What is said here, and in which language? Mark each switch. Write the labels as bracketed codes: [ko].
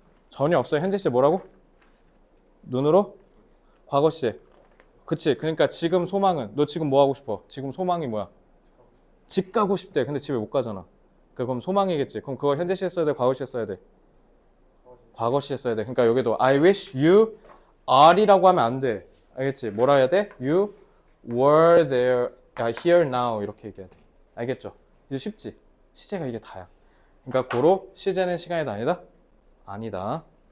[ko] 전혀 없어요. 현재 시제 뭐라고? 눈으로? 과거 시제. 그치? 그러니까 지금 소망은 너 지금 뭐 하고 싶어? 지금 소망이 뭐야? 집 가고 싶대. 근데 집에 못 가잖아. 그럼 소망이겠지. 그럼 그거 현재 시제 써야 돼, 과거 시제 써야 돼? 과거 시제 써야 돼. 그러니까 여기도 [en] I wish you are [ko] 이라고 하면 안 돼. 알겠지? 뭐라 해야 돼? [en] You were there, here now [ko] 이렇게 얘기해야 돼. 알겠죠? 이제 쉽지? 시제가 이게 다야. 그러니까 고로 시제는 시간이다 아니다? 아니다.